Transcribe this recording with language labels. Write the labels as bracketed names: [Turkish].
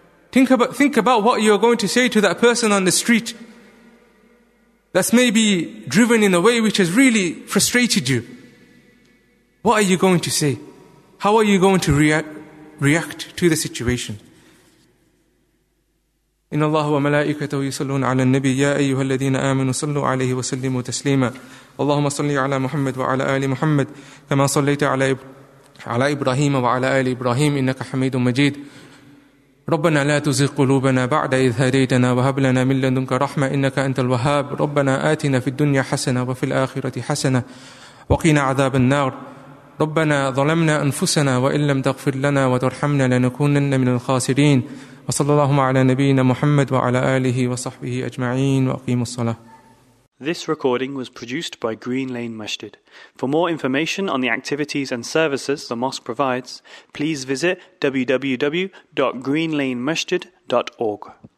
[English] Think about what you're going to say to that person on the street that's maybe driven in a way which has really frustrated you. What are you going to say? How are you going to react to the situation? [Arabic] إن الله وملائكته يصلون على النبي يا أيها الذين آمنوا صلوا عليه وسلموا تسليما اللهم صل على محمد وعلى آل محمد كما صليت على إبراهيم وعلى آل إبراهيم إنك حميد مجيد ربنا لا تزغ قلوبنا بعد إذ هديتنا وهب لنا من لدنك رحمة إنك أنت الوهاب ربنا آتنا في الدنيا حسنة وفي الآخرة حسنة وقنا عذاب النار ربنا ظلمنا أنفسنا وإن لم تغفر لنا وترحمنا لنكونن من الخاسرين وصلى الله على نبينا محمد وعلى آله وصحبه أجمعين وأقيم الصلاة. [English] This recording was produced by Green Lane Masjid. For more information on the activities and services the mosque provides, please visit www.greenlanemasjid.org.